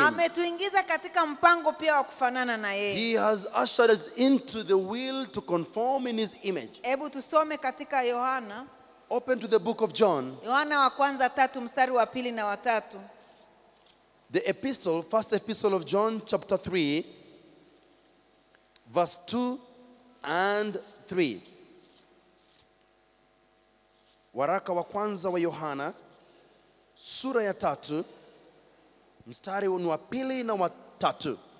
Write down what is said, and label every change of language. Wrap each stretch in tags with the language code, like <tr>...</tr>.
<sw>ametuingiza katika mpango pia wa kufanana na yeye.</sw> <en>He has ushered us into the will to conform in his image.</en> <sw>Hebu tusome katika Yohana.</sw> <en>Open to the book of John.</en> <sw>Yohana wa kwanza 3 mstari wa 2 na wa 3.</sw> <en>The epistle, first epistle of John chapter 3, verse 2 and 3.</en> <sw>Waraka wa kwanza wa Yohana, sura ya 3, mstari wa 2 na wa 3.</sw>